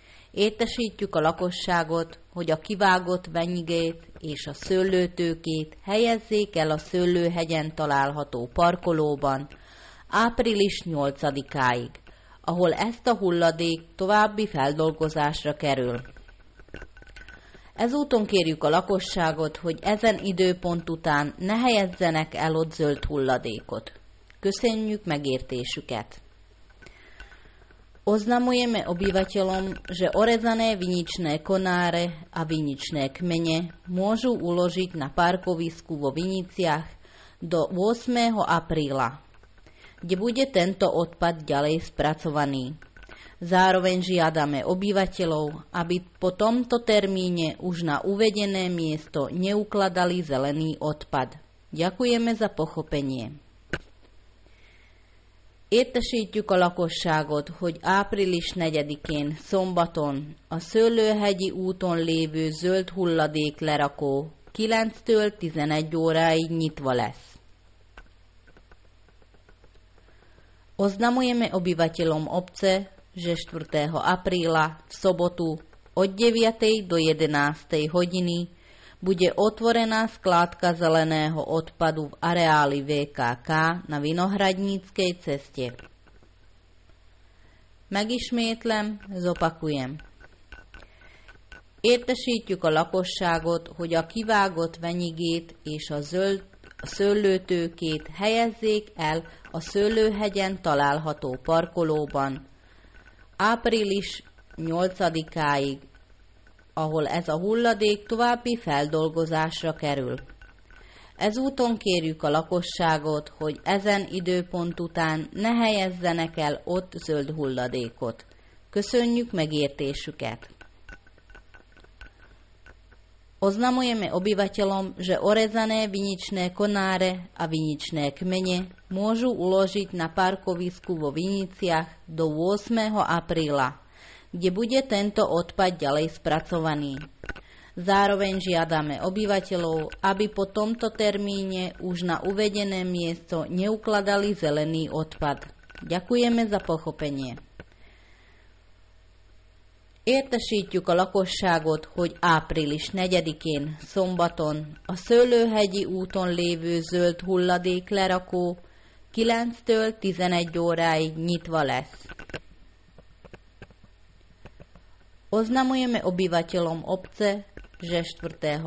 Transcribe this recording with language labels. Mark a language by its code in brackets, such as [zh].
[hu] Értesítjük a lakosságot, hogy a kivágott benyigét és a szőlőtőkét helyezzék el a szőlőhegyen található parkolóban április 8-áig, ahol ezt a hulladék további feldolgozásra kerül. Ezúton kérjük a lakosságot, hogy ezen időpont után ne helyezzenek el ott zöld hulladékot. Köszönjük megértésüket! [sk] Oznamujeme obyvateľom, že orezané viničné konáre a viničné kmene môžu uložiť na parkovisku vo Viniciach do 8. apríla, kde bude tento odpad ďalej spracovaný. Zároveň žiadame obyvateľov, aby po tomto termíne už na uvedené miesto neukladali zelený odpad. Ďakujeme za pochopenie. [hu] Értesítjük a lakosságot, hogy április 4-én szombaton a Szőlőhegyi úton lévő zöld hulladék lerakó 9-től 11 óráig nyitva lesz. [sk] Oznamujeme obyvateľom obce, že 4. apríla v sobotu od 9. do 11. hodiny bude otvorená skládka zeleného odpadu v areáli VKK na Vinohradníckej ceste. [hu] Megismétlem, [sk] zopakujem. [hu] Értesítjük a lakosságot, hogy a kivágott venyigét és a zöld szőlőtőkét helyezzék el a szőlőhegyen található parkolóban április 8-áig, ahol ez a hulladék további feldolgozásra kerül. Ezúton kérjük a lakosságot, hogy ezen időpont után ne helyezzenek el ott zöld hulladékot. Köszönjük megértésüket! [sk] Oznamujeme obyvateľom, že orezané viničné konáre a viničné kmene môžu uložiť na parkovisku vo Viniciach do 8. apríla, kde bude tento odpad ďalej spracovaný. Zároveň žiadame obyvateľov, aby po tomto termíne už na uvedené miesto neukladali zelený odpad. Ďakujeme za pochopenie. [hu] Értesítjük a lakosságot, hogy április 4-én szombaton a Szőlőhegyi úton lévő zöld hulladék lerakó 9-től 11 óráig nyitva lesz. [sk] Oznamujeme obyvateľom obce, že 4.